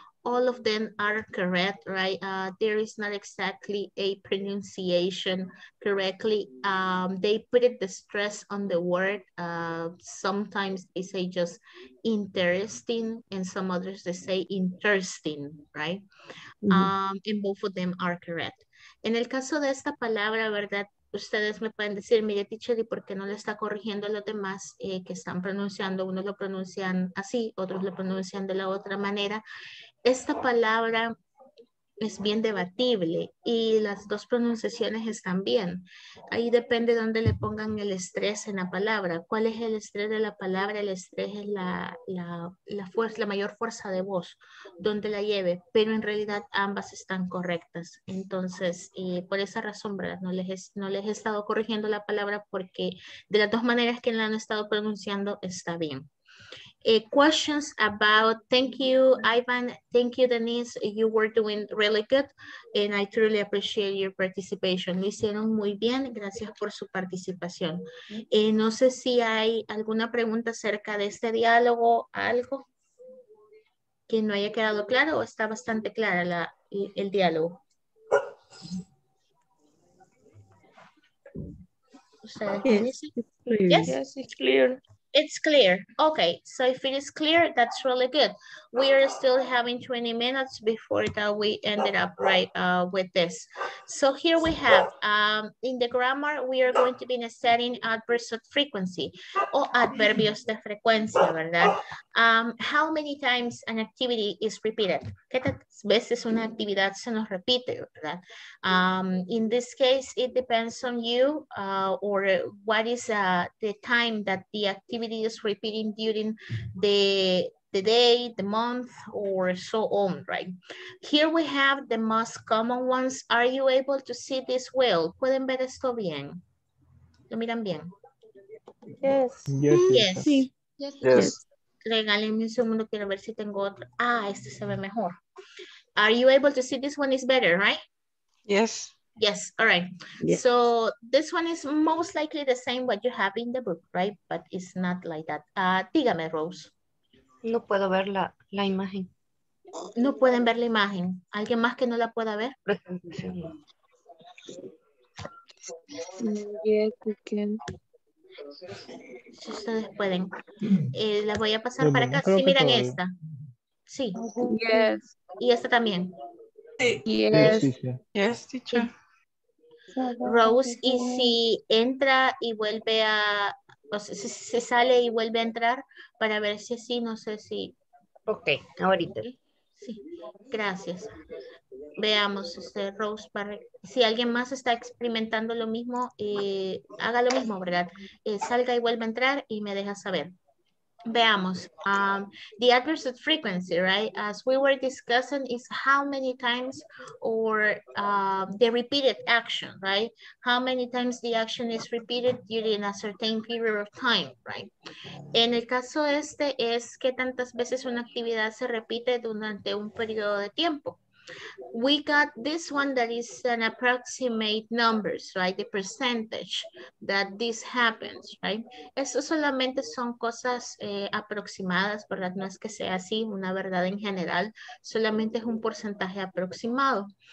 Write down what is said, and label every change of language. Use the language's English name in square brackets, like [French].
[English] All of them are correct, right? There is not exactly a pronunciation correctly. They put it the stress on the word. Sometimes they say just interesting, and some others they say interesting, right? Mm-hmm. And both of them are correct. En el caso de esta palabra, ¿verdad? [Spanish] Ustedes me pueden decir, mire, teacher, ¿y por qué no le está corrigiendo a los demás que están pronunciando? Unos lo pronuncian así, otros lo pronuncian de la otra manera. Esta palabra es bien debatible y las dos pronunciaciones están bien. Ahí depende de dónde le pongan el estrés en la palabra. ¿Cuál es el estrés de la palabra? El estrés es la fuerza, la mayor fuerza de voz, donde la lleve. Pero en realidad ambas están correctas. Entonces, por esa razón, ¿verdad? No les he estado corrigiendo la palabra porque de las dos maneras que la han estado pronunciando está bien. [English] Questions about, thank you, Ivan, thank you, Denise, you were doing really good, and I truly appreciate your participation. [Spanish] Lo hicieron muy bien, gracias por su participación. No sé si hay alguna pregunta acerca de este diálogo, algo que no haya quedado claro, o está bastante clara el diálogo. [English] It's clear. Okay, so if it is clear, that's really good. We are still having 20 minutes before that we ended up right with this. So here we have, in the grammar, we are going to be setting adverbs of frequency or adverbios de frecuencia, ¿verdad? How many times an activity is repeated? [Spanish] ¿Qué veces una actividad se nos repite, ¿verdad? [English] In this case, it depends on you or what is the time that the activity is repeating during the day, the month, or so on, right? Here we have the most common ones. Are you able to see this well? [Spanish] ¿Pueden ver esto bien? ¿Lo miran bien? [English] Yes. [Spanish] Regálenme un segundo, quiero ver si tengo otro. Ah, este se ve mejor. [English] Are you able to see this one is better, right? Yes. All right. Yes. So this one is most likely the same what you have in the book, right? But it's not like that. Dígame, Rose. [Spanish] No puedo ver la imagen. No pueden ver la imagen. ¿Alguien más que no la pueda ver? Si ustedes pueden. La voy a pasar para acá. Sí, miran esta. Sí. [English] Yes. [Spanish] Y esta también. [English] Yes, teacher. [Spanish] Rose, y si entra y vuelve a... O sea, se sale y vuelve a entrar para ver si así, no sé si... Ok, ahorita. Sí, gracias. Veamos, Rose, para... si alguien más está experimentando lo mismo, haga lo mismo, ¿verdad? Salga y vuelve a entrar y me deja saber. [English] Veamos, the adverbs of frequency, right? As we were discussing, is how many times or the repeated action, right? How many times the action is repeated during a certain period of time, right? [Spanish] En el caso este es qué tantas veces una actividad se repite durante un periodo de tiempo. [English] We got this one that is an approximate numbers, right? The percentage that this happens, right? [Spanish] Eso solamente son cosas aproximadas, ¿verdad? No es que sea así una verdad en general, solamente es un porcentaje aproximado.